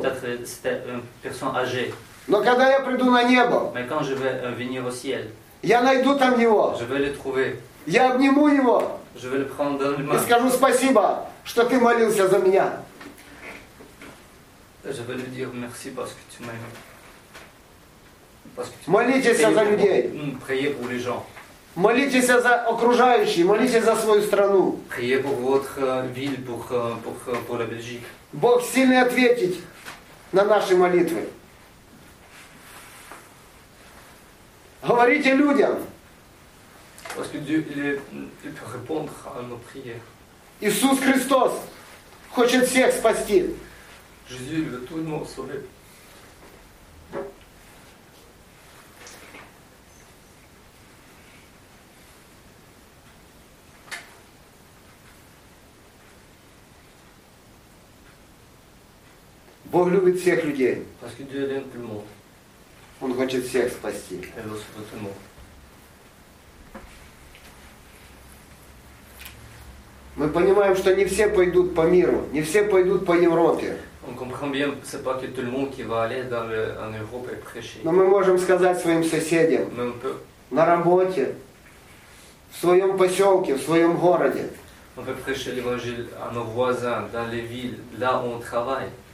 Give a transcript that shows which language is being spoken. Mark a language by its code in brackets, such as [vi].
[fr] Peut-être c'était une personne âgée. [ru] Но когда я приду на небо, [fr] mais quand je vais venir au ciel, [ru] я найду там его. [fr] Je vais le trouver. [ru] Я обниму его. [fr] Je vais le prendre dans les mains. [ru] И скажу спасибо, что ты молился за меня. [fr] Je vais lui dire merci parce que tu m'as aimé. [ru] Молитесь за людей. [fr] Priez pour les gens. [ru] Молитесь за окружающих, молитесь за свою страну. [fr] Priez pour votre ville, pour la Belgique. [ru] Бог сильный ответить на наши молитвы. Говорите людям. [fr] Parce que Dieu, il peut répondre à nos prières. [ru] Иисус Христос хочет всех спасти. [fr] Jésus veut tout le monde sauver. [ru] Бог любит всех людей. [fr] Parce que Dieu aime tout le monde. [ru] Он хочет всех спасти. [fr] Il veut sauver tout le monde. [ru] Мы понимаем, что не все пойдут по миру, не все пойдут по Европе. [fr] On comprend bien, c'est pas que tout le monde qui va aller dans en Europe et prêcher. [ru] Но мы можем сказать своим соседям, [fr] Même peu. [ru] На работе, в своем поселке, в своем городе. [fr] On peut prêcher l'évangile à nos voisins, dans les villes, là où on travaille.